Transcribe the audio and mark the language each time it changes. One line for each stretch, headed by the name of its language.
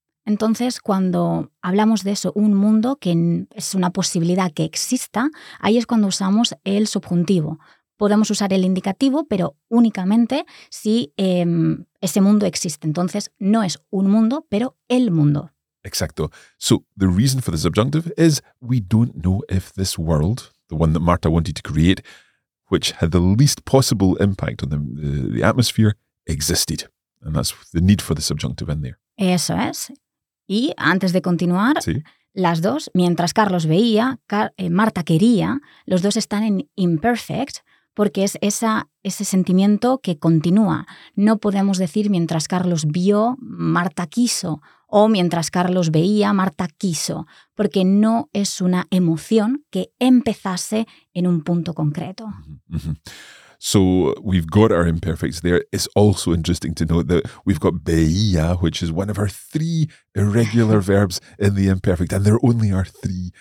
Spanish: Entonces, cuando hablamos de eso, un mundo, que es una posibilidad que exista, ahí es cuando usamos el subjuntivo. Podemos usar el indicativo, pero únicamente si ese mundo existe. Entonces, no es un mundo, pero el mundo. Exacto.
English: So, the reason for the subjunctive is we don't know if this world, the one that Marta wanted to create, which had the least possible impact on the atmosphere, existed. And that's the need for the subjunctive in there.
Spanish: Eso es. Y antes de continuar, sí. Las dos, mientras Carlos veía, Marta quería, los dos están en imperfect, porque es ese sentimiento que continúa. No podemos decir mientras Carlos vio, Marta quiso, o mientras Carlos veía, Marta quiso, porque no es una emoción que empezase en un punto concreto.
English: So we've got our imperfects there. It's also interesting to note that we've got veía, which is one of our three irregular verbs in the imperfect, and there only are three.